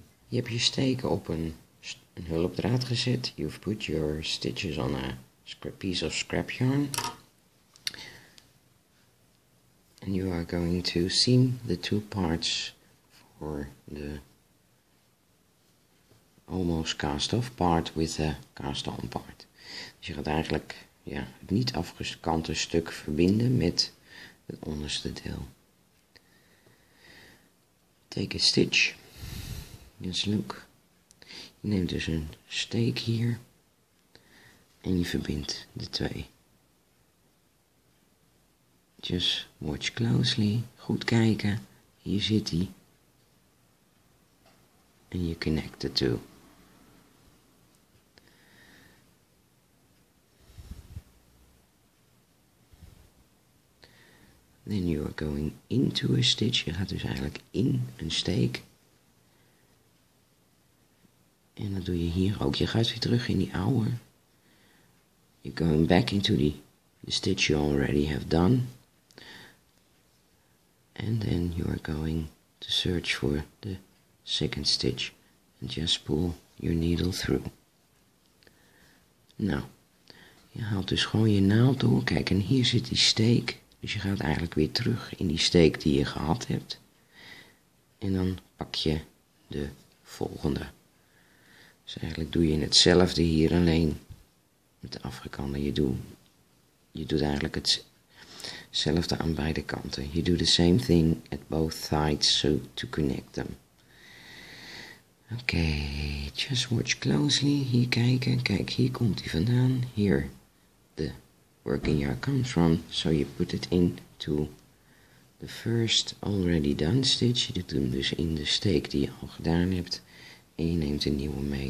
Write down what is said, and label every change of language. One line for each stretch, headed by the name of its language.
English: You have your
Dutch: steken op een hulpdraad gezet.
English: You've put your stitches on a piece of scrap yarn. And you are going to seam the two parts for the almost cast off part with a cast on part.
Dutch: Dus je gaat eigenlijk het niet afgekante stuk verbinden met het onderste deel.
English: Take a stitch. Just look.
Dutch: Je neemt dus een steek hier en je verbindt de twee.
English: Just watch closely.
Dutch: Goed kijken. Hier zit hij.
English: En you connect the two. Then you are going into a stitch.
Dutch: Je gaat dus eigenlijk in een steek. En dat doe je hier ook. Je gaat weer terug in die oude.
English: You're going back into the stitch you already have done. And then you are going to search for the second stitch. And just pull your needle through.
Dutch: Nou, je haalt dus gewoon je naald door. Kijk, en hier zit die steek. Dus je gaat eigenlijk weer terug in die steek die je gehad hebt. En dan pak je de volgende. Dus eigenlijk doe je hetzelfde hier alleen met de afgekante. Je doet eigenlijk hetzelfde aan beide kanten.
English: You do the same thing at both sides so to connect them. Okay, just watch closely.
Dutch: Hier kijken. Kijk, hier komt hij vandaan.
English: Hier de working yarn comes from, so you put it into the first already done stitch.
Dutch: Je doet hem dus in de steek die je al gedaan hebt. En je neemt een nieuwe mee.